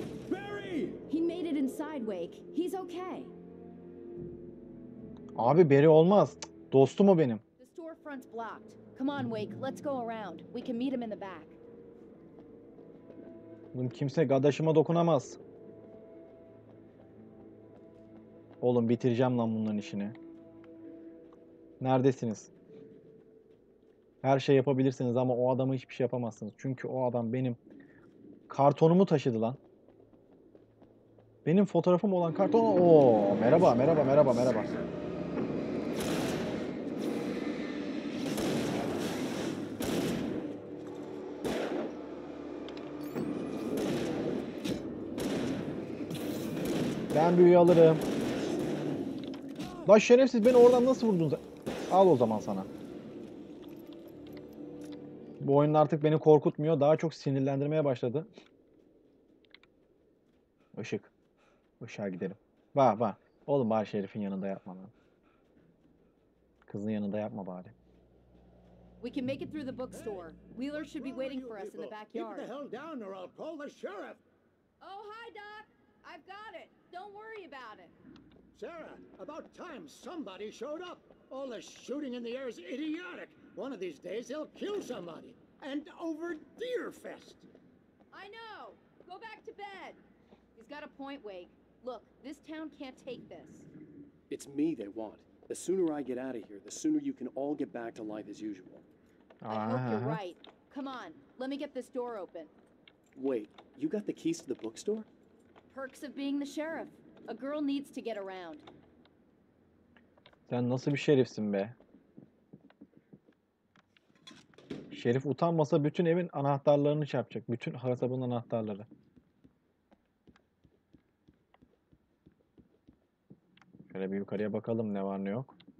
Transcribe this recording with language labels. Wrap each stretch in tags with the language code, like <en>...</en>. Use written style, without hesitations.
<en>Barry! He made it inside, Wake. He's okay.</en> <tr>Abi Barry olmaz. Dostum o benim.</tr> <en>The storefront's blocked. Come on, Wake. Let's go around. We can meet him in the back.</en> <tr>Oğlum kimse kardeşime dokunamaz. Oğlum bitireceğim lan bunların işini. Neredesiniz? Her şey yapabilirsiniz ama o adama hiçbir şey yapamazsınız. Çünkü o adam benim kartonumu taşıdı lan. Benim fotoğrafım olan kartonu... Oo, merhaba, merhaba, merhaba, merhaba. Ben büyüğü alırım. Lan şerefsiz, beni oradan nasıl vurdun? Al o zaman sana. Bu oyun artık beni korkutmuyor. Daha çok sinirlendirmeye başladı. Işık. Işığa gidelim. Bak bak. Oğlum bari şerifin yanında yapma lan. Kızın yanında yapma bari.</tr> <en>We can make it through the bookstore. Wheeler should be waiting for us in the backyard. Keep the hell down or I'll call the sheriff. Oh, hi Doc. I've got it. Don't worry about it. Sarah, about time somebody showed up. All the shooting in the air is idiotic. One of these days they'll kill somebody. And over Deerfest. I know. Go back to bed. He's got a point, Wake. Look, this town can't take this. It's me they want. The sooner I get out of here, the sooner you can all get back to life as usual. I hope you're right. Come on, let me get this door open. Wait, you got the keys to the bookstore? Perks of being the sheriff. A girl needs to get around.</en> <tr>Sen nasıl bir şerifsin be? Şerif utanmasa bütün evin anahtarlarını çarpacak. Bütün harabın anahtarları. Şöyle bir yukarıya bakalım ne var ne yok.</tr>